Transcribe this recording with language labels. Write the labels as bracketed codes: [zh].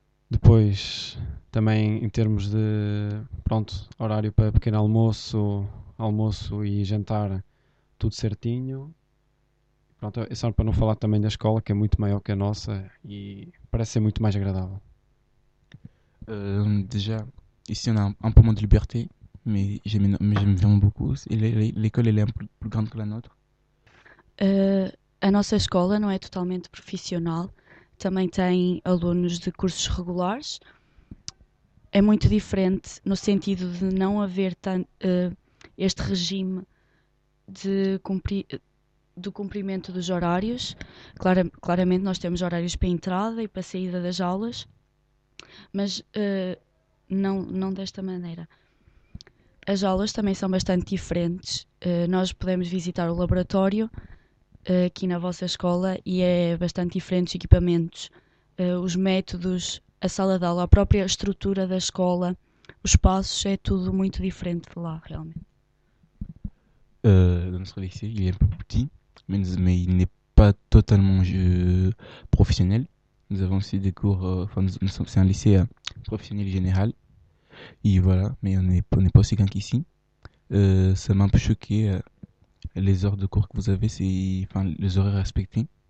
[pt] Depois, também em termos de, pronto, horário para pequeno almoço e jantar, tudo certinho. Pronto, é só para não falar também da escola, que é muito maior que a nossa e parece ser muito mais agradável. [fr] Déjà, ici on a un peu moins de liberté, mais j'aime vraiment beaucoup. L'école elle est un peu plus grande que la nôtre. [pt] A nossa escola não é totalmente profissional, também tem alunos de cursos regulares. É muito diferente no sentido de não haver este regime do cumprimento dos horários. Claramente, nós temos horários para entrada e para saída das aulas, mas não desta maneira. As aulas também são bastante diferentes. Nós podemos visitar o laboratório aqui na vossa escola e é bastante diferente os equipamentos, os métodos, a sala de aula, a própria estrutura da escola, os espaços, é tudo muito diferente de lá, realmente. [fr] Dans notre lycée, il est un peu plus petit, mais il n'est pas totalement professionnel. Nous avons aussi des cours, c'est un lycée professionnel général. Et voilà, mais on n'est pas aussi grand qu'ici. Ça m'a un peu choqué, les heures de cours que vous avez, c'est enfin les horaires respectés.